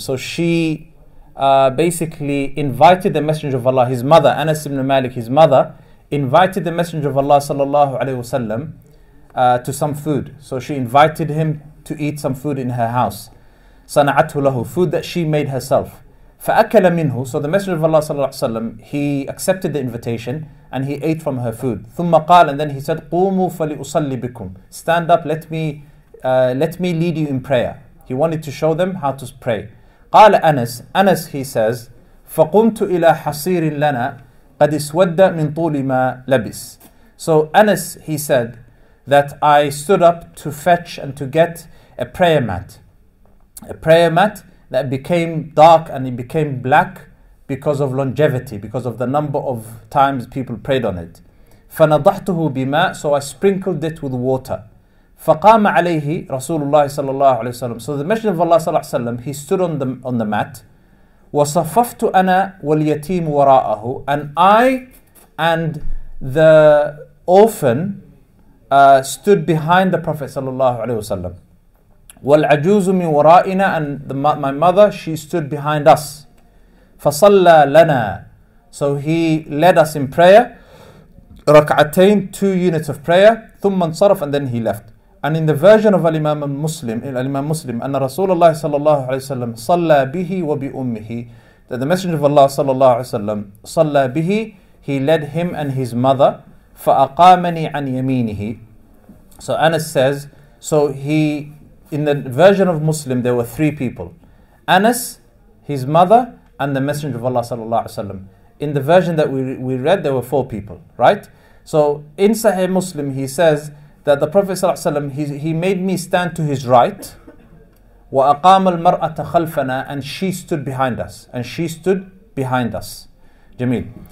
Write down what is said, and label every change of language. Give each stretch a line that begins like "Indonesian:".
English: So she basically invited the Messenger of Allah, his mother, Anas ibn Malik, his mother, invited the Messenger of Allah صلى الله عليه وسلم to some food. So she invited him to eat some food in her house.
Arabic: صنعته له,
English: food that she made herself.
Arabic: فأكل منه.
English: So the Messenger of Allah صلى الله عليه وسلم, he accepted the invitation and he ate from her food.
Arabic: ثم قال,
English: and then he said,
Arabic: قوموا فلأصلي بكم.
English: Stand up, let me lead you in prayer. He wanted to show them how to pray.
Arabic: قال أنس,
English: Anas, he says,
Arabic: فقمت إلى حصير لنا قد اسود من طول ما لبس.
English: So Anas, he said, that I stood up to fetch and to get a prayer mat. A prayer mat that became dark and it became black because of longevity, because of the number of times people prayed on it.
Arabic: فنضحته بماء,
English: so I sprinkled it with water.
Arabic: فقام عليه رسول الله صلى الله عليه وسلم.
English: So the Messenger of Allah صلى الله عليه وسلم, he stood on the mat.
Arabic: وصففت أنا واليتيم وراءه,
English: and I and the orphan stood behind the Prophet صلى الله عليه وسلم.
Arabic: والعجوز من ورائنا,
English: and my mother, she stood behind us.
Arabic: فصلى لنا,
English: so he led us in prayer,
Arabic: ركعتين,
English: two units of prayer,
Arabic: ثم انصرف,
English: and then he left. And in the version of Al-Imaam Muslim,
Arabic: أن رسول الله صلى الله عليه وسلم صلى به وبأمه,
English: that the Messenger of Allah
Arabic: صلى الله عليه وسلم صلى به,
English: he led him and his mother,
Arabic: فأقامني عن يمينه.
English: So Anas says, so he, in the version of Muslim, there were three people: Anas, his mother, and the Messenger of Allah sallallahu alaihi wasallam. In the version that we read, there were four people, right? So in Sahih Muslim, he says that the Prophet sallallahu alaihi wasallam, he made me stand to his right,
Arabic: wa aqam al mar'ata khalfana,
English: and she stood behind us, and she stood behind us. Jameel.